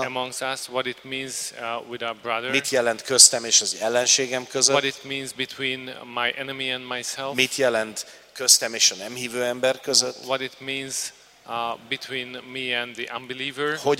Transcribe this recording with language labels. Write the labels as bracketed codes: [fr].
[en] amongst us, what it means, with our brother, [hu] mit jelent köztem és az ellenségem között, [en] what it means between my enemy and myself, [hu] mit jelent köztem és a nem hívő ember között, [en] what it means between me and the unbeliever.